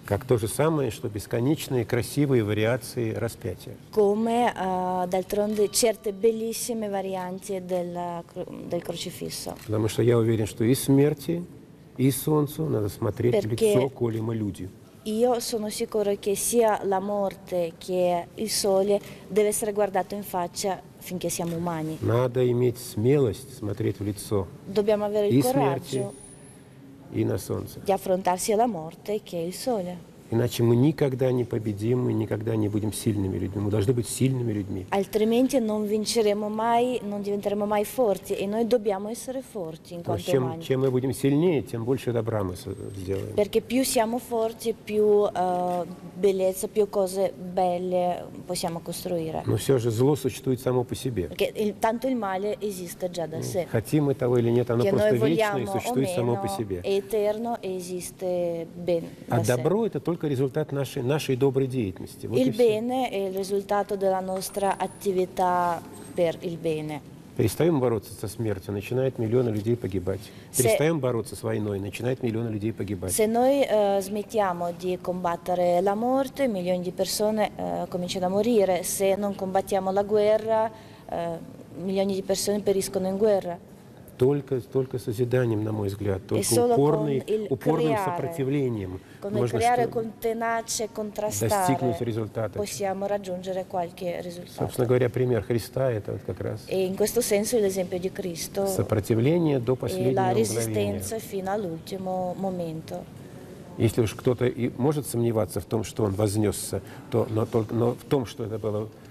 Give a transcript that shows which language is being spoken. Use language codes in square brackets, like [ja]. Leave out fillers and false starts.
[ru] Как то же самое, что бесконечные красивые вариации распятия. [it] Come d'altronde certe bellissime varianti del crocifisso. [ru] Потому что я уверен, что и смерти, и солнцу надо смотреть в лицо, коли мы люди. [it] Io sono sicuro che sia la morte che il sole deve essere guardato in faccia finché siamo umani. [ru] Надо иметь смелость смотреть в лицо. [it] Dobbiamo avere il coraggio [ru] и на солнце. [it] Di affrontarsi alla morte che è il sole. [ru] Иначе мы никогда не победим и никогда не будем сильными людьми. Мы должны быть сильными людьми. [it] Altrimenti non vinceremo mai, non diventeremo mai forti, e noi dobbiamo essere forti in quanto umani. [ru] Чем мы будем сильнее, тем больше добра мы сделаем. [it] Perché più siamo forti, più bellezza, più cose belle possiamo costruire. [ru] Но все же зло существует само по себе. [it] Perché tanto il male esiste già da sé. [ru] Хотим мы того или нет, оно просто вечно и существует само по себе. [it] È eterno e esiste ben da sé. [ru] А добро это только результат нашей доброй деятельности. [it] Il bene è il risultato della nostra attività per il bene. [ru] Перестаем бороться со смертью, начинают миллионы людей погибать. Перестаем бороться с войной, начинают миллионы людей погибать. [it] Se noi smettiamo di combattere la morte, milioni di persone cominciano a morire. Se non combattiamo la guerra, milioni di persone periscono in guerra. [ru] Только созиданием, на мой взгляд, только упорным [it] creare, [ru] сопротивлением можно достигнуть результата. [it] Possiamo raggiungere qualche risultato. [ru] Собственно говоря, пример Христа – это вот как раз [it] e in questo senso, l'esempio di Cristo, [ru] сопротивление до последнего [it] e la resistenza fino all'ultimo momento. [ru] Если уж кто-то и может сомневаться в том, что он вознесся, то, но в том, что это было...